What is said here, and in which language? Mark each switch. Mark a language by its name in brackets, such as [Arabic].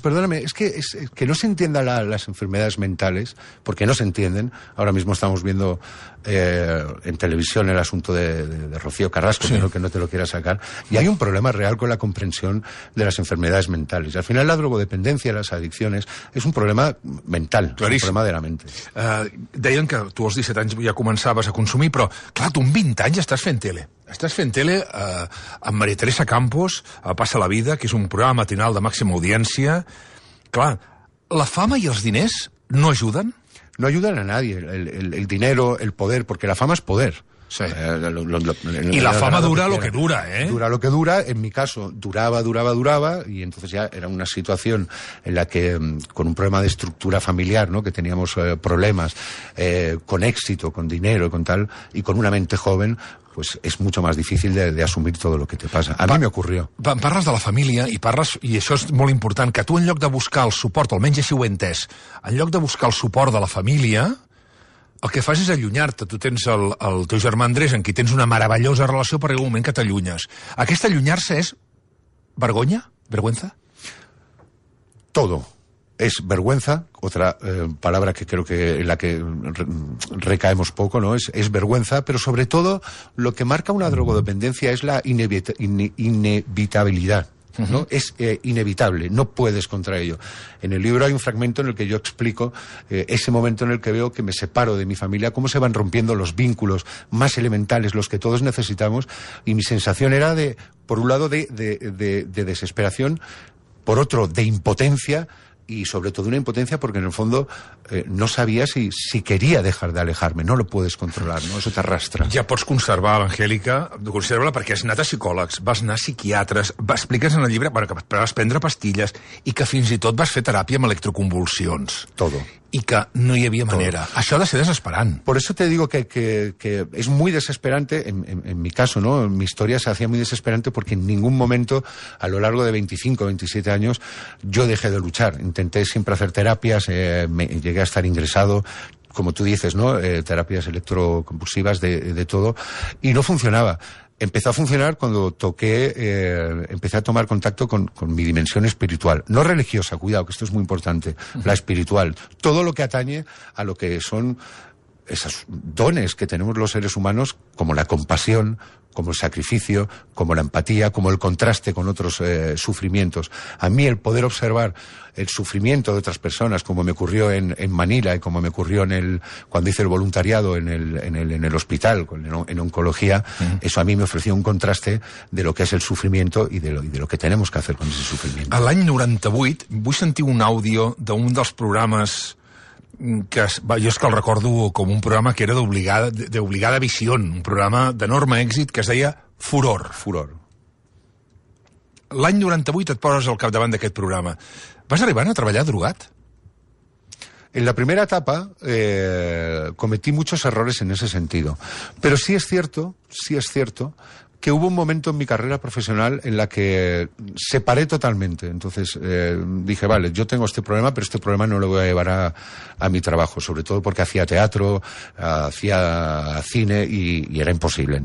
[Spanish] Perdóname, que no se entienda las enfermedades mentales, porque no se entienden. Ahora mismo estamos viendo en televisión el asunto de Rocío Carrasco, sí. Que no te lo quiera sacar. Y hay un problema real con la comprensión de las enfermedades mentales. Y al final la drogodependencia, las adicciones, es un problema mental. [Catalan] Claríssim. [Spanish] Un problema de la mente. [Catalan] Deien que tu als 17 anys ja començaves a consumir, però clar, tu amb 20 anys estàs fent tele. Estàs fent tele amb Maria Teresa Campos, a Passa la Vida, que és un programa matinal de màxima audiència. Clar, la fama i els diners no ajuden? No ajuden [Spanish] a nadie. El dinero, el poder, porque la fama es poder. Sí. Y la fama dura lo que dura, ¿eh? Dura lo que dura. En mi caso, duraba, y entonces ya era una situación en la que, con un problema de estructura familiar, ¿no?, que teníamos problemas con éxito, con dinero y con tal, y con una mente joven, pues es mucho más difícil de asumir todo lo que te pasa. A mí me ocurrió. [Catalan] Parles de la família i això és molt important, que tu en lloc de buscar el suport, almenys així ho he entès, en lloc de buscar el suport de la família, el que fas és allunyar-te. Tu tens el teu germà Andrés, en qui tens una meravellosa relació, per algun moment que t'allunyes. Aquest allunyar-se és vergonya? [Spanish] Vergüenza? Todo. Es vergüenza, otra palabra que creo que en la que recaemos poco, ¿no? Es vergüenza, pero sobre todo lo que marca una drogodependencia es la inevitabilidad, ¿no? Uh-huh. Es inevitable, no puedes contra ello. En el libro hay un fragmento en el que yo explico ese momento en el que veo que me separo de mi familia, cómo se van rompiendo los vínculos más elementales, los que todos necesitamos, y mi sensación era de, por un lado, de desesperación, por otro, de impotencia. Y sobre todo una impotencia, porque en el fondo no sabía si quería dejar de alejarme. No lo puedes controlar, ¿no? Eso te arrastra. [Catalan] Ja pots conservar, Angélica, conserva-la, perquè has anat a psicòlegs, vas anar a psiquiatres, expliques en el llibre, bueno, que vas prendre pastilles i que fins i tot vas fer teràpia amb electroconvulsions. [Spanish] Todo. Y que no había manera. Todo. Eso de ser desesperante. Por eso te digo que es muy desesperante, en mi caso, ¿no? En mi historia se hacía muy desesperante porque en ningún momento, a lo largo de 25, 27 años, yo dejé de luchar. Intenté siempre hacer terapias, llegué a estar ingresado, como tú dices, ¿no? Terapias electroconvulsivas, de todo, y no funcionaba. Empezó a funcionar cuando empecé a tomar contacto con mi dimensión espiritual. No religiosa, cuidado, que esto es muy importante, la espiritual. Todo lo que atañe a lo que son esos dones que tenemos los seres humanos, como la compasión, como el sacrificio, como la empatía, como el contraste con otros sufrimientos. A mí el poder observar el sufrimiento de otras personas, como me ocurrió en Manila y como me ocurrió en el cuando hice el voluntariado en el hospital, en oncología, uh-huh. Eso a mí me ofreció un contraste de lo que es el sufrimiento y de lo que tenemos que hacer con ese sufrimiento. [Catalan] A l'any 98 vull sentir un àudio d'un dels programes que jo és que el recordo com un programa que era d'obligada visió, un programa d'enorme èxit que es deia Furor. Furor. L'any 98 et poses al capdavant d'aquest programa. Vas arribar a treballar drogat? [Spanish] En la primera etapa cometí muchos errores en ese sentido. Pero sí es cierto que hubo un momento en mi carrera profesional en la que separé totalmente. Entonces dije, vale, yo tengo este problema, pero este problema no lo voy a llevar a mi trabajo, sobre todo porque hacía teatro, hacía cine y era imposible.